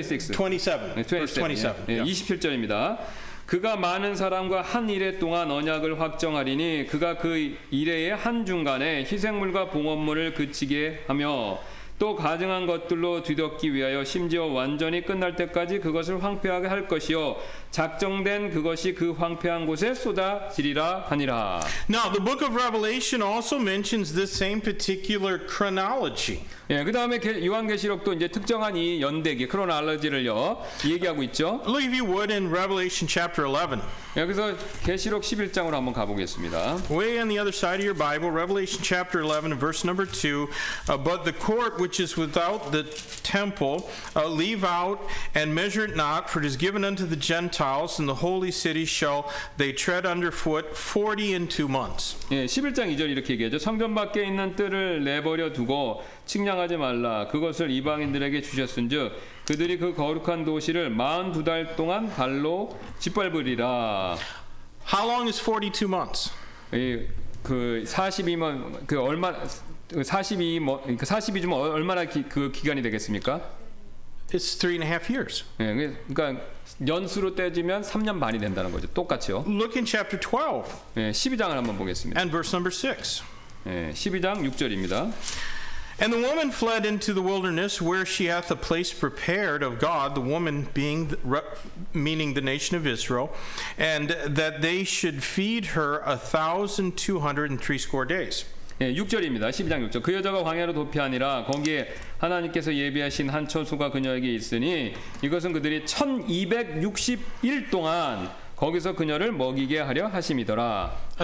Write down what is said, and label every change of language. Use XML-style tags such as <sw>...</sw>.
<ko>27절입니다. 그가 많은 사람과 한 일회 동안 언약을 확정하리니 그가 그 일회의 한 중간에 희생물과 봉헌물을 그치게 하며 또 가증한 것들로 뒤덮기 위하여 심지어 완전히 끝날 때까지 그것을 황폐하게 할 것이요 작정된 그것이 그 황폐한 곳에 쏟아지리라 하니라.</ko> <en>Now the book of Revelation also mentions this same particular chronology.</en> <ko>예, 그 다음에 요한계시록도 이제 특정한 이 연대기, 크로나 알러지를요 얘기하고 있죠.</ko> <en>Leave you would in Revelation chapter 11.</en> <ko>예, 그래서 계시록 11장으로 한번 가보겠습니다.</ko> <en>Way on the other side of your Bible, Revelation chapter 11, verse number 2. But the court which is without the temple, leave out and measure it not, for it is given unto the Gentiles, and the holy city shall they tread underfoot 40 and 2 months.</en> <ko>예, 11장 2절 이렇게 얘기하죠. 성전 밖에 있는 뜰을 내버려 두고 측량하지 말라. 그것을 이방인들에게 주셨은즉 그들이 그 거룩한 도시를 42달 동안 발로 짓밟으리라.</ko> <en>How long is 42 months?</en> <ko>예, 그 42만 그 얼마 42 주면 얼마나 그 기간이 되겠습니까?</ko> <en>It's 3.5 years.</en> <ko>예, 그러니까 연수로 떼지면 3년 반이 된다는 거죠. 똑같이요.</ko> <en>Look in chapter 12.</en> <ko>예, 12장을 한번 보겠습니다.</ko> <en>And verse number 6.</en> <ko>예, 12장 6절입니다.</ko> <en>And the woman fled into the wilderness where she hath a place prepared of God, the woman being meaning the nation of Israel, and that they should feed her 1,260 days.</en> <ko>예, 6절입니다. 12장 6절. 그 여자가 광야로 도피하니라 거기에 하나님께서 예비하신 한 처소가 그녀에게 있으니 이것은 그들이 1,261 동안 거기서 그녀를 먹이게 하려 하심이더라.</ko>